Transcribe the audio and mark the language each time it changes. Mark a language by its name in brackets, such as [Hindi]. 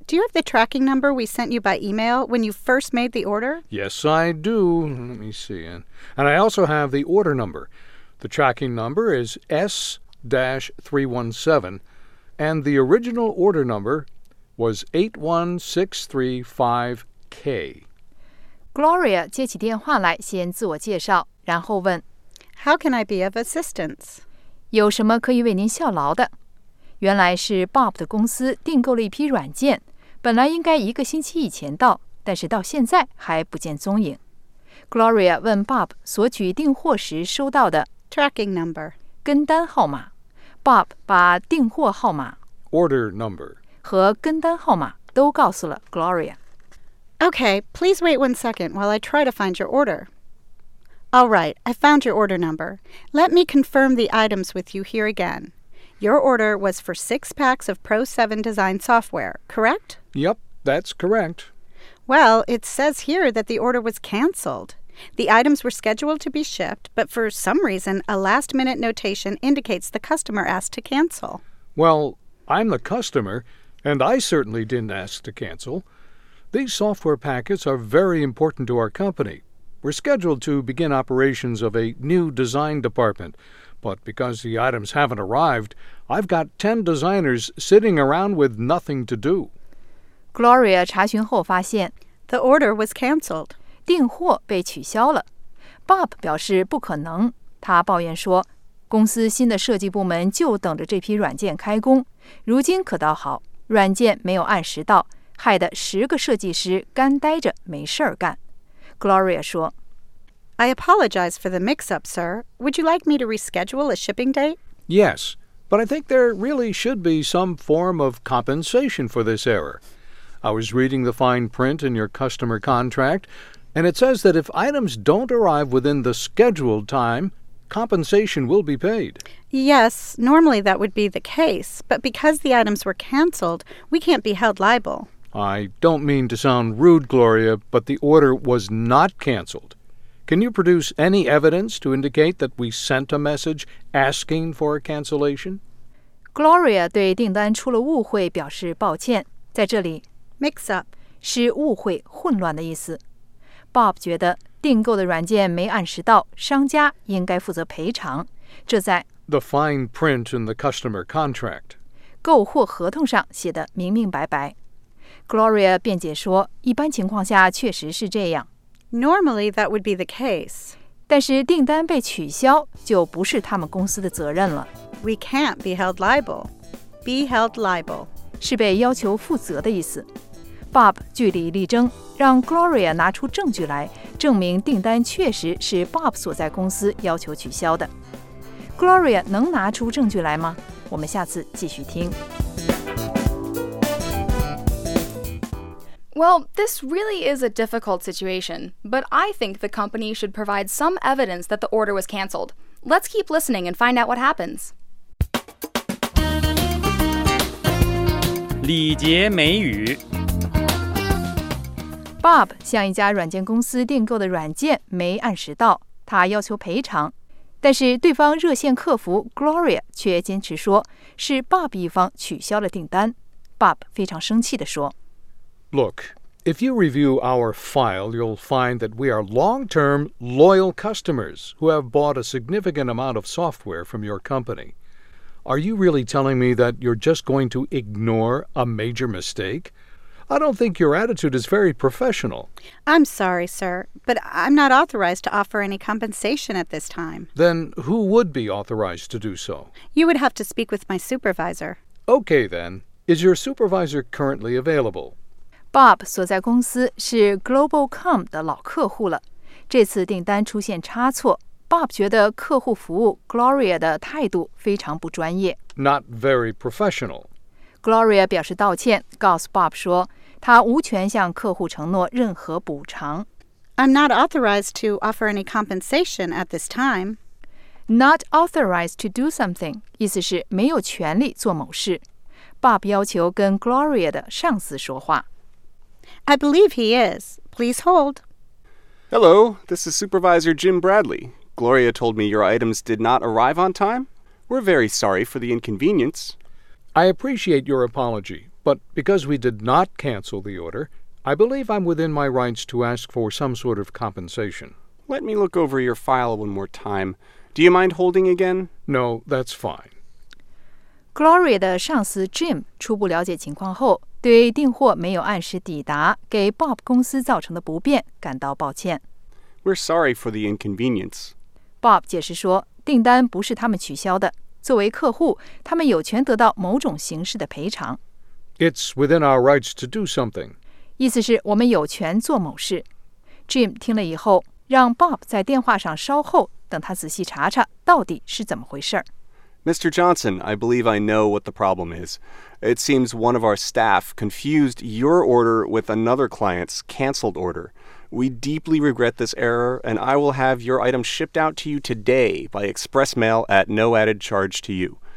[English] Do you have the tracking number we sent you by email when you first made the order? Yes, I do. Let me see. And I also have the order number. The tracking number is S-317, and the original order number was 81635K. [Chinese] Gloria 接起电话来先自我介绍，然后问 [English] How can I be of assistance? [Chinese] 有什么可以为您效劳的？原来是 Bob 的公司订购了一批软件，本来应该一个星期以前到，但是到现在还不见踪影。 Gloria 问 Bob 索取订货时收到的 [English] tracking number [Chinese] 跟单号码。Bob 把订货号码 [English] order number [Chinese] 和跟单号码都告诉了 Gloria。 [English] Okay, please wait one second while I try to find your order. All right, I found your order number. Let me confirm the items with you here again. Your order was for 6 packs of Pro 7 Design software, correct? Yep, that's correct. Well, it says here that the order was canceled. The items were scheduled to be shipped, but for some reason, a last-minute notation indicates the customer asked to cancel. Well, I'm the customer, and I certainly didn't ask to cancel. These software packets are very important to our company. We're scheduled to begin operations of a new design department,But because the items haven't arrived, I've got 10 designers sitting around with nothing to do. [Chinese] Gloria 查询后发现 [English] The order was canceled. [Chinese] 订货被取消了。Bob 表示不可能。他抱怨说，公司新的设计部门就等着这批软件开工。如今可倒好，软件没有按时到，害得十个设计师干呆着没事儿干。 Gloria 说 [English] I apologize for the mix-up, sir. Would you like me to reschedule a shipping date? Yes, but I think there really should be some form of compensation for this error. I was reading the fine print in your customer contract, and it says that if items don't arrive within the scheduled time, compensation will be paid. Yes, normally that would be the case, but because the items were canceled, we can't be held liable. I don't mean to sound rude, Gloria, but the order was not canceled. Can you produce any evidence to indicate that we sent a message asking for a cancellation? [Chinese] Gloria 对订单出了误会表示抱歉。在这里 [English] ,mix up [Chinese] 是误会混乱的意思。 Bob 觉得订购的软件没按时到，商家应该负责赔偿。这在 [English] The fine print in the customer contract [Chinese] 购货合同上写得明明白白。 Gloria 辩解说，一般情况下确实是这样。 [English] Normally that would be the case. [Chinese] 但是订单被取消就不是他们公司的责任了。 [English] We can't be held liable. Be held liable. [Chinese] 是被要求负责的意思。 Bob 据理力争，让 Gloria 拿出证据来，证明订单确实是 Bob 所在公司要求取消的。 Gloria 能拿出证据来吗？我们下次继续听。 [English] Well, this really is a difficult situation, but I think the company should provide some evidence that the order was canceled. Let's keep listening and find out what happens. [Chinese] 礼节美语。 Bob 向一家软件公司订购的软件没按时到，他要求赔偿。但是对方热线客服 Gloria 却坚持说是 Bob 一方取消了订单。 Bob 非常生气地说。 [English] Look, if you review our file, you'll find that we are long-term, loyal customers who have bought a significant amount of software from your company. Are you really telling me that you're just going to ignore a major mistake? I don't think your attitude is very professional. I'm sorry, sir, but I'm not authorized to offer any compensation at this time. Then who would be authorized to do so? You would have to speak with my supervisor. Okay, then. Is your supervisor currently available? [Chinese] Bob 所在公司是 Globalcom 的老客户了。这次订单出现差错， Bob 觉得客户服务 Gloria 的态度非常不专业。 [English] Not very professional. [Chinese] Gloria 表示道歉，告诉 Bob 说他无权向客户承诺任何补偿。 [English] I'm not authorized to offer any compensation at this time. Not authorized to do something [Chinese] 意思是没有权利做某事。 Bob 要求跟 Gloria 的上司说话。 [English] I believe he is. Please hold. Hello, this is Supervisor Jim Bradley. Gloria told me your items did not arrive on time. We're very sorry for the inconvenience. I appreciate your apology, but because we did not cancel the order, I believe I'm within my rights to ask for some sort of compensation. Let me look over your file one more time. Do you mind holding again? No, that's fine. [Chinese] Gloria 的上司 Jim 初步了解情况后对订货没有按时抵达给 Bob 公司造成的不便感到抱歉。 [English] We're sorry for the inconvenience. [Chinese] Bob 解释说订单不是他们取消的，作为客户他们有权得到某种形式的赔偿。 [English] It's within our rights to do something. [Chinese] 意思是我们有权做某事。Jim 听了以后让 Bob 在电话上稍后等他仔细查查到底是怎么回事。 [English] Mr. Johnson, I believe I know what the problem is. It seems one of our staff confused your order with another client's canceled order. We deeply regret this error, and I will have your item shipped out to you today by express mail at no added charge to you.